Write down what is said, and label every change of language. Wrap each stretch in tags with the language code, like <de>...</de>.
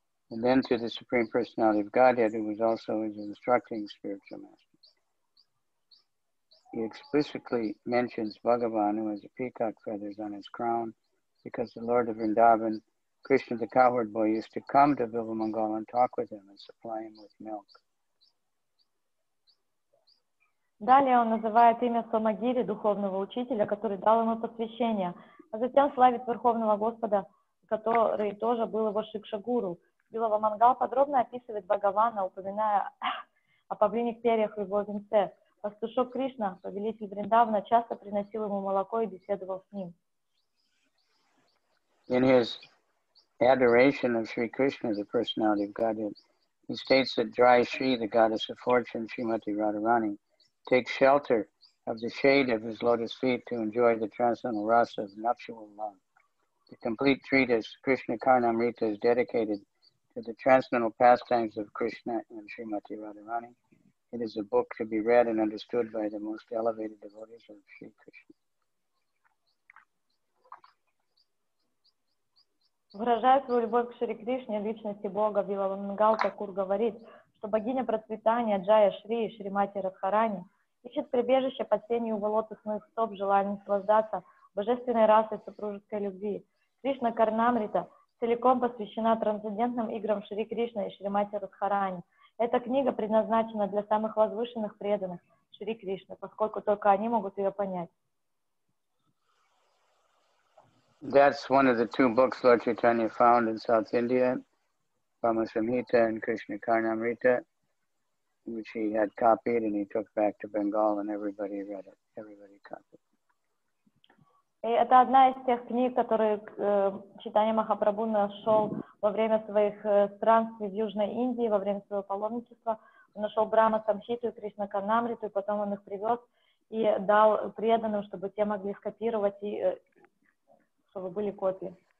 <en>And then to the Supreme Personality of Godhead, who was also his instructing spiritual master. He explicitly mentions Bhagavan, who has peacock feathers on his crown, because the Lord of Vrindavan, Krishna the cowherd boy, used to come to Bilba Mangal and talk with him and supply him with milk.</en> <ru>Далее он называет имя Сомагири, духовного учителя, который дал ему посвящение, а затем славит Верховного Господа, который тоже был его шикшагуру. Билава Мангал подробно описывает Бхагавана, упоминая о павлиних перьях и его венце. Пастушок Кришна, повелитель Вриндавана, часто приносил ему молоко и беседовал с ним.</ru> <en>In his adoration of Sri Krishna, the personality of Godhead, he states that Jai Shri, the goddess of fortune, Srimati Radharani, takes shelter of the shade of his lotus feet to enjoy the transcendental rasa of nuptial love. The complete treatise, Krishna Karnamrita, is dedicated to the transcendental pastimes of Krishna and Srimati Radharani. It is a book to be read and understood by the most elevated devotees of Sri Krishna.</en> <ru>Выражая свою любовь к Шри Кришне, личности Бога, Билава Мангал Такур говорит, что богиня процветания Джая Шри и Шри Мати Радхарани ищет прибежище под сенью волот лотосных стоп, желая наслаждаться божественной расой супружеской любви. Кришна Карнамрита, целиком посвящена трансцендентным играм Шри Кришны и Шримати Радхарани. Эта книга предназначена для самых возвышенных преданных Шри Кришны, поскольку только они могут ее понять.</ru> <en>That's one of the two books Lord Chaitanya found in South India, Brahma Samhita and Krishna Karnamrita, which he had copied and he took back to Bengal and everybody read it. Everybody copied.</en> <ru>И это одна из тех книг, которые Чайтанья Махапрабху нашел во время своих странствий в Южной Индии, во время своего паломничества. Он нашел Брама Самхиту и Кришна Канамриту, и потом он их привез и дал преданным, чтобы те могли скопировать, и чтобы были копии.</ru>